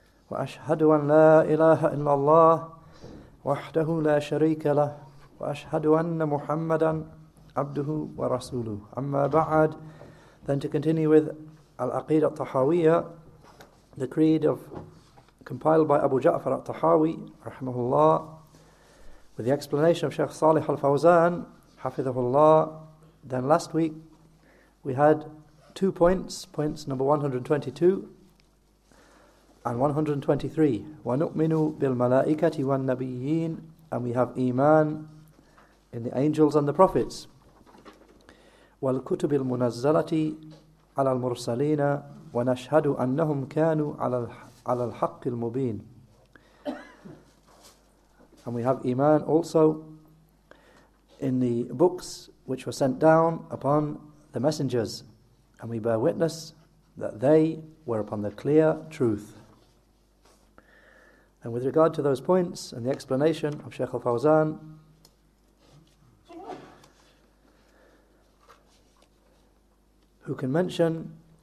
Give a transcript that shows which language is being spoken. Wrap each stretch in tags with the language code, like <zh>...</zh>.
<ar>وأشهد أن لا إله إلا الله وحده لا شريك له وأشهد أن محمدا عبده ورسوله أما بعد</ar> <en>then to continue with العقيدة الطحاوية The creed of compiled by Abu Ja'far al-Tahawi, rahimahullah, with the explanation of Sheikh Salih al-Fawzan, hafidhahullah. Then last week we had two points, points number 122 and 123.</en> <ar>وَنُؤْمِنُ بِالْمَلَائِكَةِ وَالنَّبِيِّينَ</ar> <en>And we have iman in the angels and the prophets.</en> <ar>وَالْكُتُبِ الْمُنَزَّلَةِ عَلَى الْمُرْسَلِينَ ونشهد أنهم كانوا على الحق المبين.</ar> <en>And we have iman also in the books which were sent down upon the messengers, and we bear witness that they were upon the clear truth. And with regard to those points and the explanation of Sheikh al-Fawzan, who can mention?</en>